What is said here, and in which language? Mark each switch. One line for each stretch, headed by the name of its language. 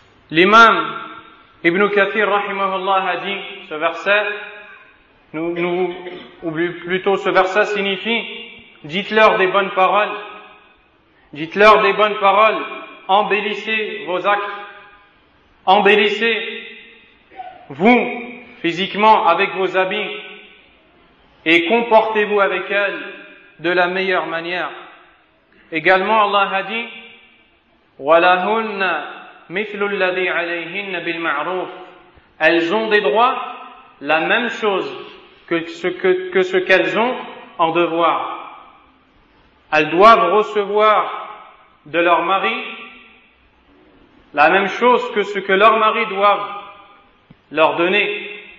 French: L'imam Ibn Kathir rahimahullah a dit ce verset, ce verset signifie dites-leur des bonnes paroles, dites-leur des bonnes paroles, embellissez vos actes, embellissez vous physiquement avec vos habits et comportez-vous avec elle de la meilleure manière. Également Allah a dit
Arabic: وَلَهُنَّ مِثْلُ الَّذِي عَلَيْهِنَّ بِالْمَعْرُوفِ.
French: Elles ont des droits, la même chose que ce qu'elles ont en devoir. Elles doivent recevoir de leur mari la même chose que ce que leur mari doivent leur donner.